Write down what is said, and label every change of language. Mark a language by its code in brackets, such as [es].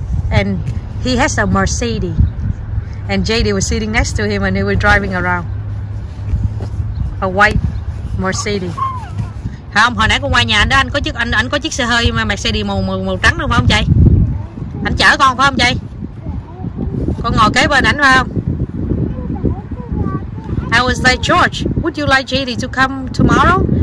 [en] And he has a Mercedes. And JD was sitting next to him and they were driving around. A white Mercedes. [vi] Không, hồi nãy con qua nhà anh đó, anh có chiếc xe hơi mà Mercedes màu trắng đúng không chị? Anh chở con phải không chị? Con ngồi kế bên ảnh phải không? [en] I was like, George, would you like JD to come tomorrow?